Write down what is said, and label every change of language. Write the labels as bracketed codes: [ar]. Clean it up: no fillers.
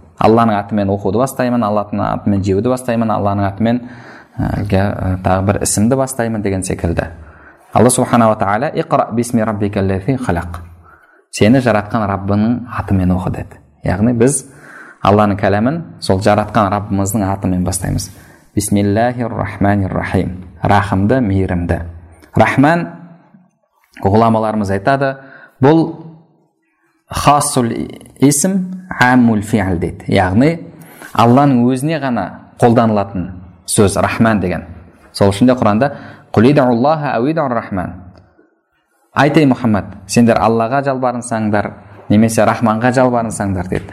[kk] Алланың атымен оқуды бастаймын, Алланың атымен жеуді бастаймын, Алланың атымен тағы бір ісімді бастаймын деген секілді. Алла субхана ва тааля [ar] иқра бисми раббикал лази халақ. [kk] Сені жаратқан Раббының атымен оқы деді. Яғни біз Алланың кәлемін сол жаратқан Раббымыздың атымен бастаймыз. [ar] Бисмиллахир рахманир рахим. [kk] Рахымды, мейірімді. Рахман ғұламаларымыз айтады, бұл хасул есім амул фиал дейді. Яғни, Алланың өзіне ғана қолданылатын сөз рахман деген. Сол үшін де Құранда [ar] құл идъу Аллаха ау идъу рахман. [kk] Айт ей Мұхаммед, сендер Аллаға жалбарынсаңдар, немесе Рахманға жалбарынсаңдар дейді.